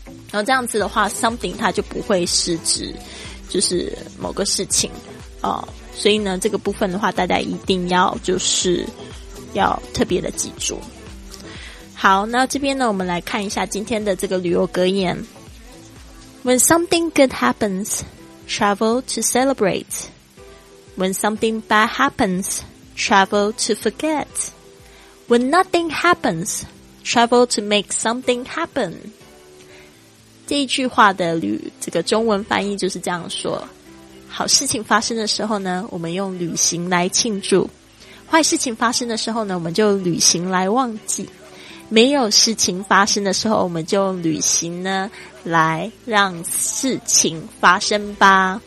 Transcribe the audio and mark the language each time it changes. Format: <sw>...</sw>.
<zh>然后这样子的话 something 它就不会是指就是某个事情，所以呢这个部分的话大家一定要就是要特别的记住。好，那这边呢我们来看一下今天的这个旅游格言。</zh> <en>When something good happens, travel to celebrate. When something bad happens, travel to forget. When nothing happens, travel to make something happen.</en> <zh>这一句话的这个中文翻译就是这样说，好事情发生的时候呢，我们用旅行来庆祝，坏事情发生的时候呢，我们就旅行来忘记，没有事情发生的时候，我们就旅行呢来让事情发生吧。</zh>